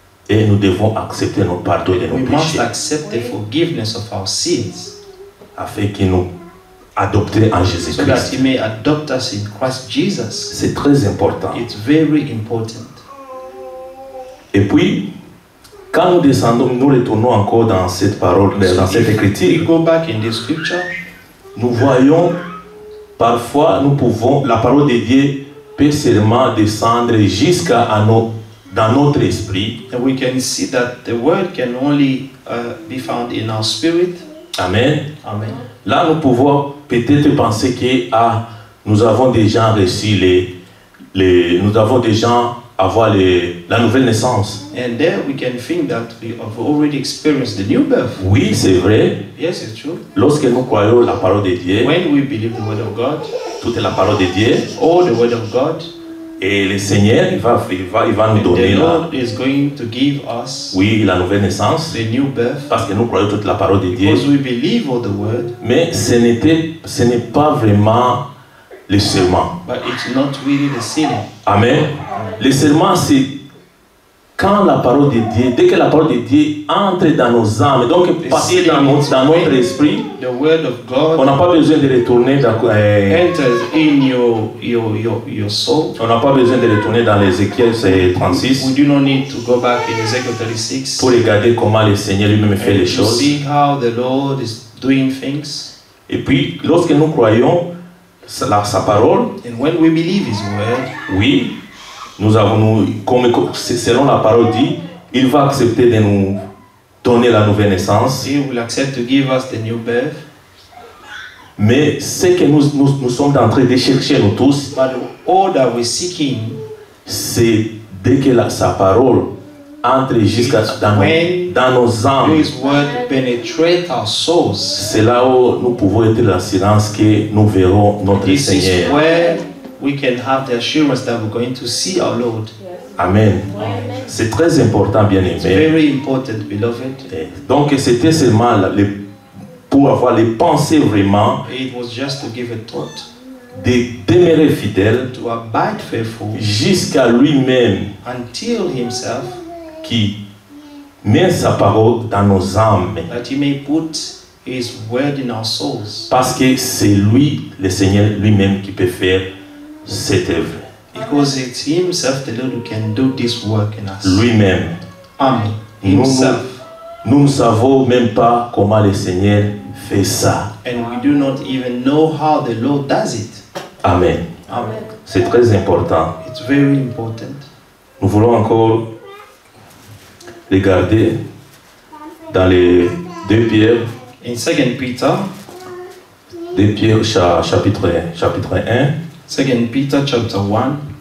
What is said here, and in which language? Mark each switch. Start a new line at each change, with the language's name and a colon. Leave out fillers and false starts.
French: Et nous devons accepter nos pardons et nos
English: we
French: péchés.
English: We must accept the forgiveness of our sins.
French: Afin qu'il nous adopter en Jésus-Christ.
English: So that he may adopt us in Christ Jesus.
French: C'est très important.
English: It's very important.
French: Et puis, quand nous descendons, nous retournons encore dans cette parole, so dans cette écriture.
English: We go back in the scripture.
French: Nous voyons parfois, nous pouvons la parole de Dieu peut seulement descendre jusqu'à nos dans notre esprit.
English: And we can see that the word can only be found in our spirit. Amen. Amen.
French: Là, nous pouvons peut-être penser que nous avons déjà reçu nous avons déjà avoir la nouvelle naissance.
English: And there we can think that we have already experienced the new birth.
French: Oui, c'est vrai.
English: Yes, it's true.
French: Lorsque nous croyons la parole de Dieu.
English: When we believe the word of God.
French: Toute la parole de Dieu.
English: All the word of God.
French: Et le Seigneur, il va nous donner
English: the Lord is going to give us
French: oui, la nouvelle naissance.
English: The new birth,
French: parce que nous croyons toute la parole de
English: because
French: Dieu.
English: We believe all the word,
French: mais ce n'est pas vraiment le serment.
English: But it's not really the serment. Amen.
French: Le serment, c'est quand la parole de Dieu, dès que la parole de Dieu entre dans nos âmes, donc passer dans notre esprit,
English: the word of God,
French: on n'a pas besoin de retourner dans
English: enters in your soul.
French: On n'a pas besoin de retourner dans Ézéchiel 36.
English: We do not need to go back in Ezekiel 36.
French: Pour regarder comment le Seigneur lui-même fait les choses.
English: See how the Lord is doing things.
French: Et puis, lorsque nous croyons sa parole,
English: and when we believe his word,
French: oui. Nous avons, comme selon la parole dit, il va accepter de nous donner la nouvelle naissance.
English: He will accept to give us the new birth.
French: Mais ce que nous sommes en train de chercher nous tous,
English: but all that we're seeking,
French: c'est dès que sa parole entre jusqu'à dans nos âmes.
English: His word penetrate our souls.
French: C'est là où nous pouvons être dans l'assurance que nous verrons notre
English: this
French: Seigneur.
English: Is where we can have the assurance that we're going to see our Lord. Yes.
French: Amen. C'est très important, bien-aimé.
English: Very important, beloved.
French: Donc c'était seulement pour avoir les pensées vraiment.
English: It was just to give a thought.
French: De demeurer fidèle.
English: To abide faithful.
French: Jusqu'à lui-même.
English: Until himself.
French: Qui met sa parole dans nos âmes.
English: That he may put his word in our souls.
French: Parce que c'est lui, le Seigneur lui-même, qui peut faire cette œuvre.
English: Because it's himself the Lord who can do this work in us.
French: Lui-même.
English: Amen. Himself.
French: Nous ne savons même pas comment le Seigneur fait ça.
English: And we do not even know how the Lord does it. Amen. Amen.
French: C'est très important.
English: It's very important.
French: Nous voulons encore regarder dans les deux Pierre.
English: In 2 Peter.
French: 2 Pierre chapitre 1.
English: 2 Peter chapter 1.